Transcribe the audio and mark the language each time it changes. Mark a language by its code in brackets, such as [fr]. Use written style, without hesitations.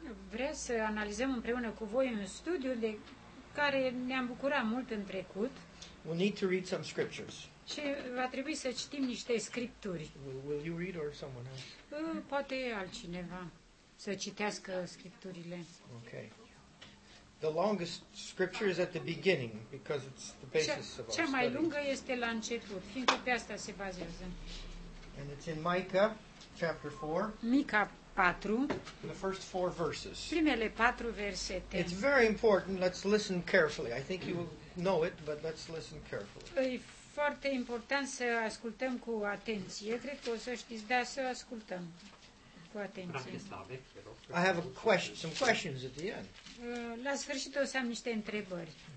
[ro] Vreau să analizăm împreună cu voi un studiu de care ne-am bucurat mult în trecut. [en] We'll need to read some scriptures. [ro] Și va trebui să citim niște scripturi. [en] Will you read or someone else? [ro] Poate altcineva să citească scripturile. [en] Okay. The longest scripture is at the beginning because it's the basis of our study. [ro] Cea mai lungă este la început, fiindcă pe asta se bazează. [en] And it's in Micah chapter 4. [ro] Mica 4. [en] The first 4 verses. [ro] Primele 4 versete. [en] It's very important. Let's listen carefully. I think you know it, but let's listen carefully. [ro] E foarte important să ascultăm cu atenție. Cred că o să știți, dar să ascultăm. [en] I have a question, some questions at the end. [ro] La sfârșit o să am niște întrebări.